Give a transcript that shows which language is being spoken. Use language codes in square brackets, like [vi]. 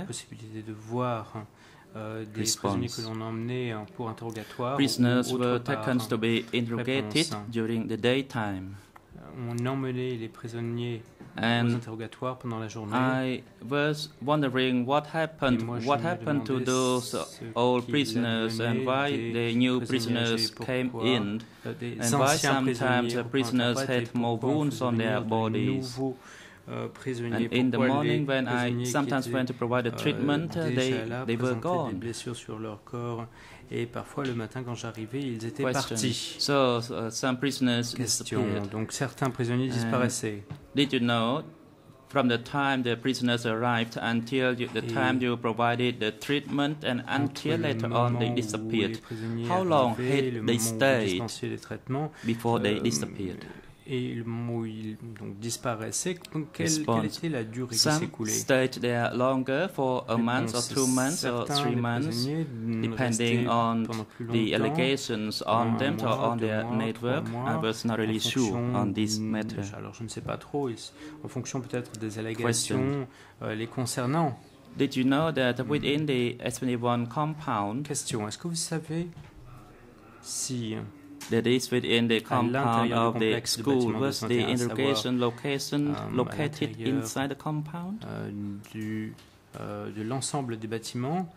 [fr] La possibilité de voir des prisonniers que l'on emmenait pour interrogatoire. [en] Prisoners [fr] ou [en] were taken to be interrogated during the daytime. [fr] On emmenait les prisonniers aux interrogatoires pendant la journée. [en] I was wondering what happened to those old prisoners and why the new prisoners came in and why sometimes the prisoners had more wounds on their bodies. And in the morning, when I sometimes went to provide a treatment, they were gone. [fr] Des blessures sur leur corps. Et parfois, le matin, quand j'arrivais, ils étaient partis. [en] Some prisoners [fr] Question. Donc, certains prisonniers disparaissaient. [en] Did you know, from the time the prisoners arrived until the time you provided the treatment and until later on they disappeared, how long had they stayed before they disappeared? [fr] Et où ils donc disparaissaient, quelle était la durée qui s'écoulait? [en] Some stayed there longer for a month or 2 months or 3 months, depending on the allegations on them or on their network. I was not really sure on this matter. [fr] Alors je ne sais pas trop, en fonction peut-être des allégations les concernant. [en] Did you know that within the S21 compound? [fr] Question, est-ce que vous savez si [en] that is within the compound of the school. Was the interrogation location located inside the compound? [fr] De l'ensemble des bâtiments.